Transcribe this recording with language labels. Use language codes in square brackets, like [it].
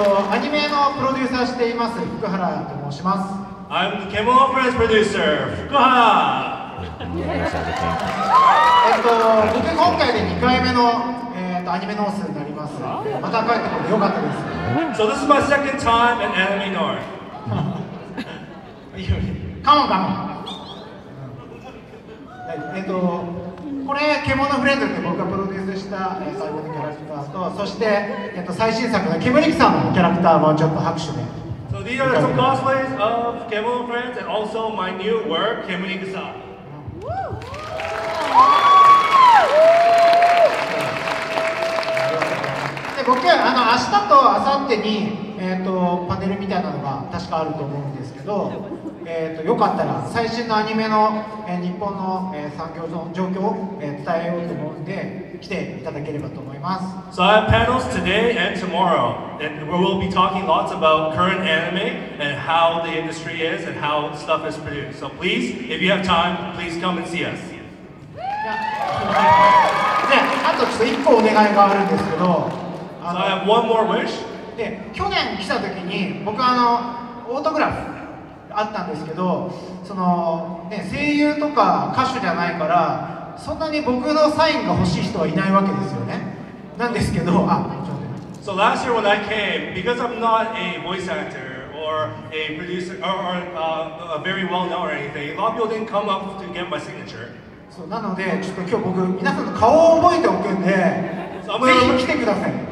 [ja] アニメのプロデューサーしています、福原と申します。 [en] I'm the Kemono Friends producer, 福原! [ja] 僕、今回で2回目の、アニメノースになります。また帰ってこれ、よかったです。 [en] So this is my second time at Anime North. Come on, come on! [ja] これ、ケモノフレンズって僕がプロデュースした最後のキャラクターと、そして、最新作のケムリキさんのキャラクターもちょっと拍手で。 [en] So these are some cosplays of ケモノフレンズ and also my new work, ケムリキさん。 [ja] で、僕、明日と明後日に、パネルみたいなのが確かあると思うんですけど、よかったら最新のアニメの、日本の、産業の状況を、伝えようと思うので来ていただければと思います。 [en] So I have panels today and tomorrow, and we will be talking lots about current anime and how the industry is and how stuff is produced. So please, if you have time, please come and see us. [ja] あとちょっと一個お願いがあるんですけど、 [en] So I have one more wish. [ja] 去年来た時に僕オートグラフあったんですけど、その、声優とか歌手じゃないからそんなに僕のサインが欲しい人はいないわけですよね。なんですけど、 [en] So last year when I came, because I'm not a voice actor or a producer or a very well known or anything, a lot of people didn't come up to get my signature. [ja] そうなので、ちょっと今日僕皆さんの顔を覚えておくんで、ぜひ来てください。